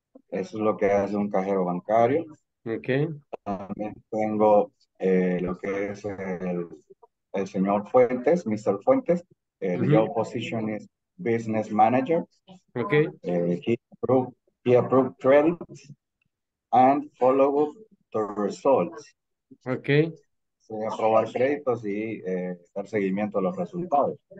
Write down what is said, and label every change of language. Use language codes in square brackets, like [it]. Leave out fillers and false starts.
[es] Eso es lo que hace un cajero bancario. [en] Okay. [es] También tengo lo que es el señor Fuentes, Mr. [en] Fuentes. Mm-hmm. The position is business manager. Okay. He approved credits and follow up the results. Okay. [es] Se aprobar créditos y dar seguimiento a los resultados.